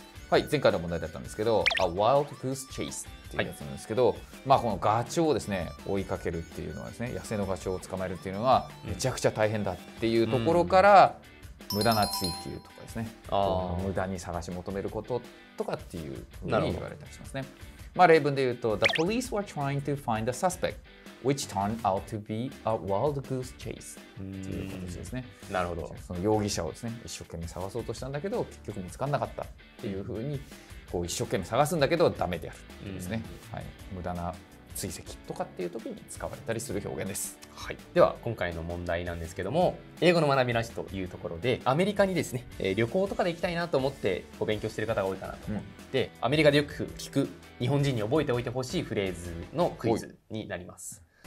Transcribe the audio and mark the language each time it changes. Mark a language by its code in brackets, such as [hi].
[ja] はい、前回の問題だったんですけど、 [en] A wild goose chase [ja] っていうやつなんですけど、はい、まあ、このガチョウをですね、追いかけるっていうのはですね、野生のガチョウを捕まえるっていうのはめちゃくちゃ大変だっていうところから、うん、無駄な追求とかですね、あ、無駄に探し求めることとかっていうふうに言われたりしますね。まあ、例文で言うと、 [en] The police were trying to find the suspect. Which turned out to be a wild goose chase [ja] という形ですね。なるほど。その容疑者をですね、一生懸命探そうとしたんだけど結局見つからなかったっていうふうに、こう一生懸命探すんだけどダメであるっていうですね、はい、無駄な追跡とかっていう時に使われたりする表現です。はい、では今回の問題なんですけども、英語の学びなしというところでアメリカにですね、旅行とかで行きたいなと思ってお勉強している方が多いかなと思って、うん、アメリカでよく聞く日本人に覚えておいてほしいフレーズのクイズになります。